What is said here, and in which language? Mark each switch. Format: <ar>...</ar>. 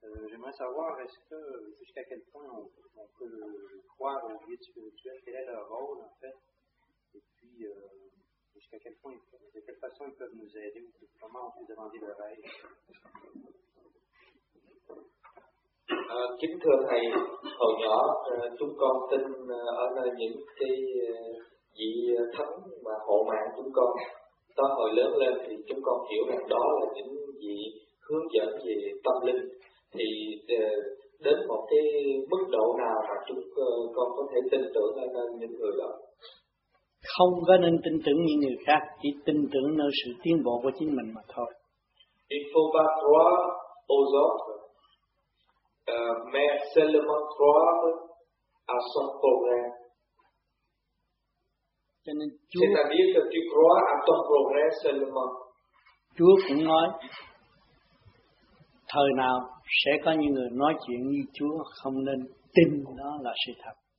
<fr>J'aimerais savoir est-ce que jusqu'à quel point on peut croire au guide spirituel, quel est leur rôle en fait, et puis jusqu'à quel point, de quelle façon ils peuvent nous aider, ou comment on peut demander leur aide.</fr> <vi>Kính thưa thầy, hồi nhỏ chúng con tin ở nơi những cái vị thánh mà hộ mạng chúng con. Sau hồi lớn lên thì chúng con hiểu rằng đó là những vị hướng dẫn về tâm linh. Thì đến một cái mức độ nào mà chúng con có thể tin tưởng nơi những người đó? Không có nên tin tưởng những người khác, chỉ tin tưởng nơi sự tiến bộ của chính mình mà thôi.</vi> <fr>Il faut pas croire aux autres, mais seulement croire à son progrès.</fr> <vi>Cho nên</vi> <fr>c'est-à-dire que tu crois à ton progrès seulement.</fr> <vi>Chúa cũng nói, thời nào sẽ có những người nói chuyện như Chúa, không nên tin đó là sự thật.</vi>